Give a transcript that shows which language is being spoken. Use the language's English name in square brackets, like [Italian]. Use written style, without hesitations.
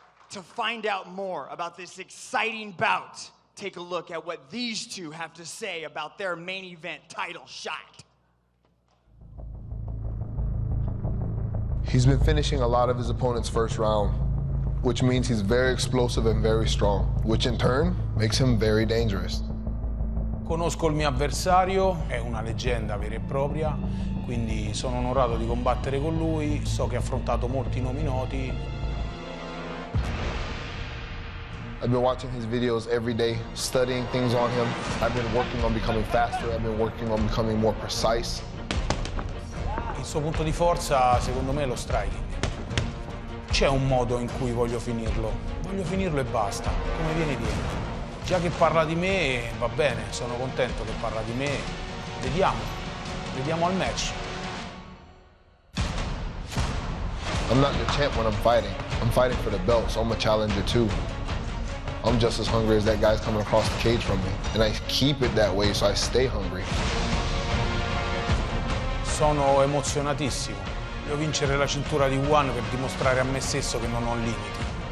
[English] To find out more about this exciting bout, take a look at what these two have to say about their main event title shot. He's been finishing a lot of his opponents first round, which means he's very explosive and very strong, which in turn makes him very dangerous. [Italian] Conosco il mio avversario, è una leggenda vera e propria, quindi sono onorato di combattere con lui. So che ha affrontato molti nomi noti. [English] I've been watching his videos every day, studying things on him. I've been working on becoming faster. I've been working on becoming more precise. [Italian] Il suo punto di forza, secondo me, è lo striking. C'è un modo in cui voglio finirlo. Voglio finirlo e basta. Come viene, viene. Già che parla di me, va bene. Sono contento che parla di me. Vediamo. Vediamo al match. [English] I'm not your champ when I'm fighting. I'm fighting for the belt, so I'm a challenger too. I'm just as hungry as that guy's coming across the cage from me. And I keep it that way, so I stay hungry. [Italian] Sono emozionatissimo. Voglio vincere la cintura di One per dimostrare a me stesso che non ho limiti.